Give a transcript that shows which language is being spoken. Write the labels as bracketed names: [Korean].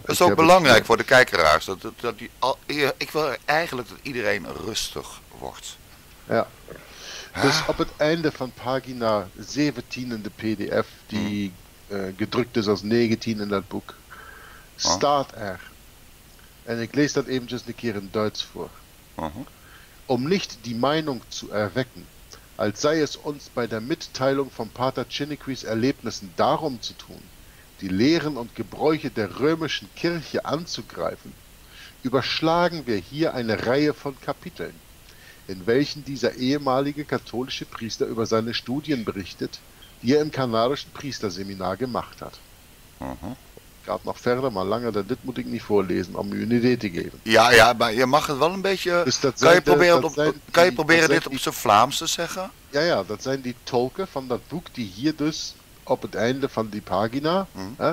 [Dutch] Dat is ook belangrijk voor de kijkeraars, ik wil eigenlijk dat iedereen rustig wordt. Ja, dus op het einde van pagina 17 in de PDF, die gedrukt is als 19 in dat boek, staat er, en ik lees dat eventjes een keer in Duits voor. [German] Um nicht die Meinung zu erwecken, als sei es uns bei der Mitteilung von Pater Chiniquis Erlebnissen darum zu tun, die Lehren und Gebräuche der römischen Kirche anzugreifen, überschlagen wir hier eine Reihe von Kapiteln, in welchen dieser ehemalige katholische Priester über seine Studien berichtet, die er im kanadischen Priesterseminar gemacht hat. Aha. [Dutch] Gaat nog verder, maar langer dan dit moet ik niet voorlezen om u een idee te geven. Ja, maar je mag het wel een beetje. Dus kan je proberen dit op zijn Vlaams te zeggen? Ja, dat zijn die tolken van dat boek die hier dus op het einde van die pagina. Mm.